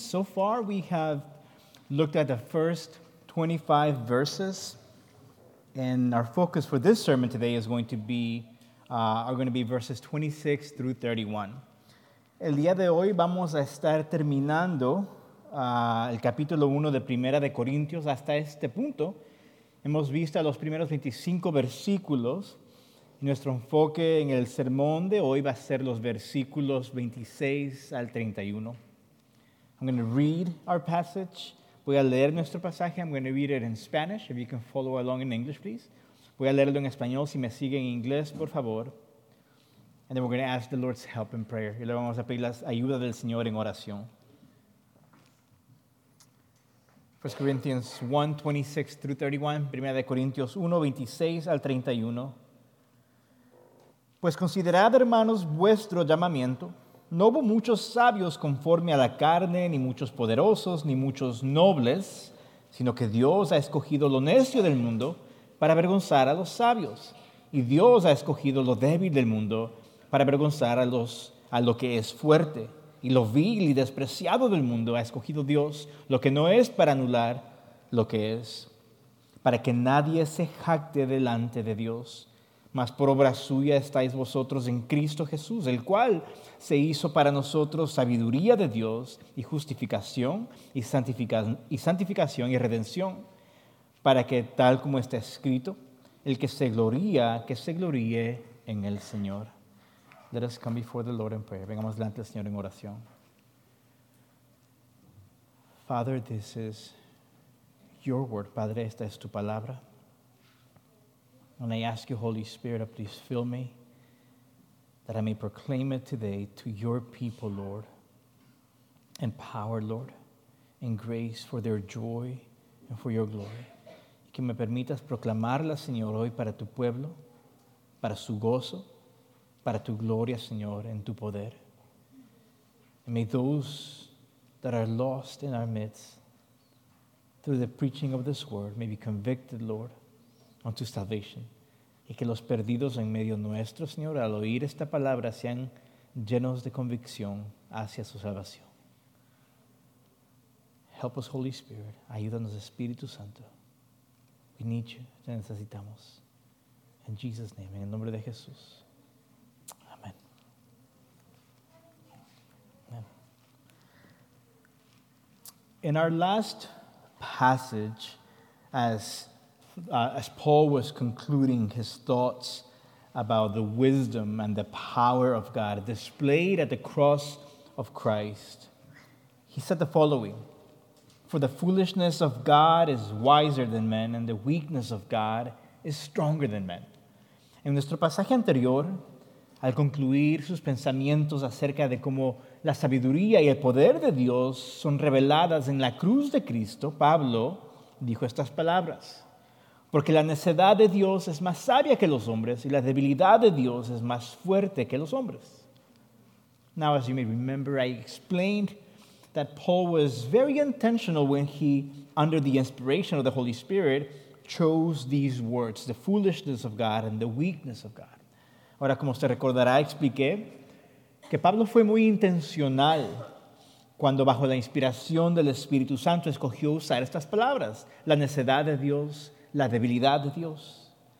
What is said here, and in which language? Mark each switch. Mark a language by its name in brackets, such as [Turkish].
[English] So far we have looked at the first 25 verses, and our focus for this sermon today is going to be verses 26 through 31. [Spanish] El día de hoy vamos a estar terminando el capítulo 1 de Primera de Corintios. Hasta este punto hemos visto los primeros 25 versículos. Nuestro enfoque en el sermón de hoy va a ser los versículos 26 al 31. [English] I'm going to read our passage. [Spanish] Voy a leer nuestro pasaje. [English] I'm going to read it in Spanish. If you can follow along in English, please. [Spanish] Voy a leerlo en español. Si me sigue en inglés, por favor. [English] And then we're going to ask the Lord's help in prayer. [Spanish] Y luego vamos a pedir la ayuda del Señor en oración. [English] 1 Corinthians 1, 26 through 31. [Spanish] 1 Corintios 1, 26 al 31. Pues considerad, hermanos, vuestro llamamiento. No hubo muchos sabios conforme a la carne, ni muchos poderosos, ni muchos nobles, sino que Dios ha escogido lo necio del mundo para avergonzar a los sabios, y Dios ha escogido lo débil del mundo para avergonzar a lo que es fuerte, y lo vil y despreciado del mundo ha escogido Dios lo que no es para anular lo que es, para que nadie se jacte delante de Dios. Mas por obra suya estáis vosotros en Cristo Jesús, el cual se hizo para nosotros sabiduría de Dios y justificación y santificación y redención, para que, tal como está escrito, el que se gloríe en el Señor. [English] Let us come before the Lord in prayer. [Spanish] Vengamos delante del Señor en oración. [English] Father, this is your word. [Spanish] Padre, esta es tu palabra. [English] And I ask you, Holy Spirit, to please fill me, that I may proclaim it today to your people, Lord. Empower, Lord, in grace for their joy and for your glory. [Spanish] Que me permitas proclamarla, Señor, hoy para tu pueblo, para su gozo, para tu gloria, Señor, en tu poder. [English] And may those that are lost in our midst, through the preaching of this word, may be convicted, Lord, unto salvation. [Spanish] Y que los perdidos en medio nuestro, Señor, al oír esta palabra, sean llenos de convicción hacia su salvación. [English] Help us, Holy Spirit. [Spanish] Ayúdanos, Espíritu Santo. [English] We need you. [Spanish] Te necesitamos. [English] In Jesus' name, [Spanish] en el nombre de Jesús. Amén. [English] In our last passage, as Paul was concluding his thoughts about the wisdom and the power of God displayed at the cross of Christ, he said the following: For the foolishness of God is wiser than men, and the weakness of God is stronger than men. [Spanish] En nuestro pasaje anterior, al concluir sus pensamientos acerca de cómo la sabiduría y el poder de Dios son reveladas en la cruz de Cristo, Pablo dijo estas palabras: Porque la necedad de Dios es más sabia que los hombres, y la debilidad de Dios es más fuerte que los hombres. [English] Now, as you may remember, I explained that Paul was very intentional when he, under the inspiration of the Holy Spirit, chose these words, the foolishness of God and the weakness of God. [Spanish] Ahora, como usted recordará, expliqué que Pablo fue muy intencional cuando, bajo la inspiración del Espíritu Santo, escogió usar estas palabras, la necedad de Dios, la debilidad de Dios.